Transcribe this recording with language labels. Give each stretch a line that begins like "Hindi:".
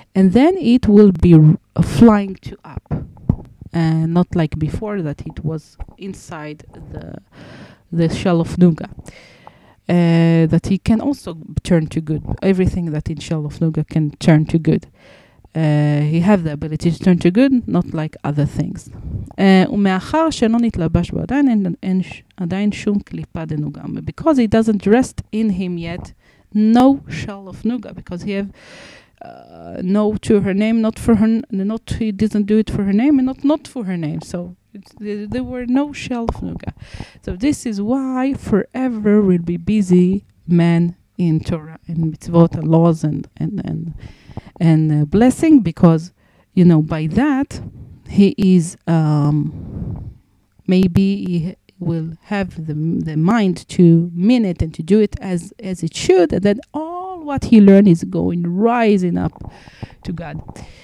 English: And then it will be flying to up. Not like before that it was inside the shell of nougat. that he can also turn to good. Everything that inshallah fluga can turn to good. He have the ability to turn to good, not like other things.
Hebrew: ומאחר שאינו נתלבש בו עדיין, אין עדיין שום קליפה דנוגה.
English: Because he doesn't rest in him yet, no shell of nuga, because he have no to her name, not for her, not he doesn't do it for her name, and not for her name. So there were no shell of nuga. So this is why forever will be busy man in Torah and mitzvot and laws and blessing, because you know by that he is maybe he will have the mind to mean it and to do it as it should, and then all what he learned is going rising up to God.